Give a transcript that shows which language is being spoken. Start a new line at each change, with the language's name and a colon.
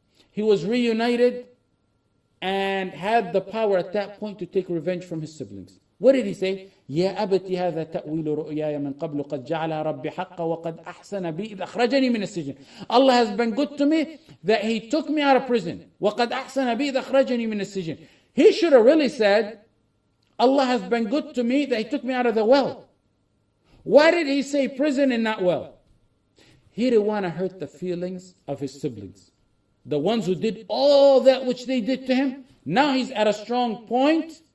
English: He was reunited and had the power at that point to take revenge from his siblings. What did he say?
Arabic: يَا أَبَتِ هَذَا تَأْوِيلُ رُؤْيَايَ مِنْ قَبْلُ قَدْ جَعْلَ رَبِّي حَقَّ وَقَدْ أَحْسَنَ بِي إِذْ أَخْرَجَنِي مِنَ السِّجْنِ.
English: Allah has been good to me that he took me out of prison.
Arabic: وَقَدْ أَحْسَنَ بِي إِذْ أَخْرَجَنِي مِنَ السِّجْنِ.
English: He should have really said, Allah has been good to me that he took me out of the well. Why did he say prison and not well? He didn't want to hurt the feelings of his siblings. The ones who did all that which they did to him. Now he's at a strong point.